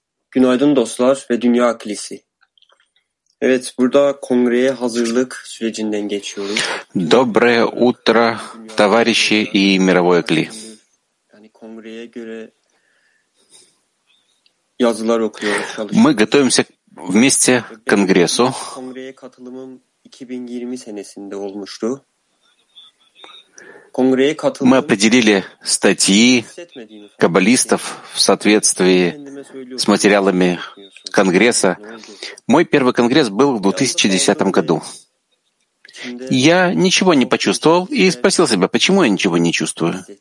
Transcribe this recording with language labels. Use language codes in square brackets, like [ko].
[tr] Günaydın dostlar ve Dünya Kilisi. Evet, burada kongreye hazırlık sürecinden geçiyoruz. [ru] Доброе утро, товарищи и мировой кли. [tr] Yani kongreye göre yazılar okuyoruz, çalışıyoruz. [ru] Мы готовимся вместе к конгрессу. [tr] Kongreye katılımım 2020 senesinde olmuştu. Kongreye katılımım. [ru] Мы определили статьи каббалистов в соответствии с материалами Конгресса. Мой первый Конгресс был в 2010 году. Я ничего не почувствовал и спросил себя, почему я ничего не чувствую.